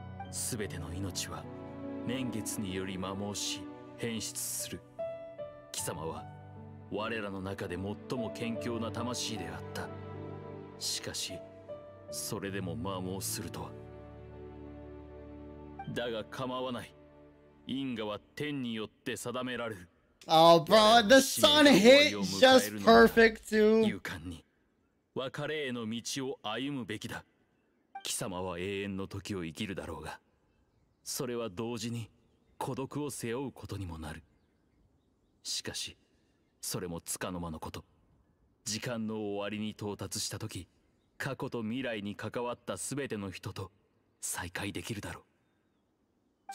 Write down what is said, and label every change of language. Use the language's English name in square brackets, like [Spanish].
[Japanese] すべての命は年月により摩耗し変質する。貴様は我らの中で最も謙虚な魂であった。しかしそれでも摩耗するとは。だが構わない。因果は天によって定められる。 [English] Oh bro, the sun hit just perfect too. [Japanese] 勇敢に別れへの道を歩むべきだ。貴様は永遠の時を生きるだろうが、それは同時に孤独を背負うことにもなる。しかしそれも束の間のこと。時間の終わりに到達した時、過去と未来に関わった全ての人と再会できるだろう。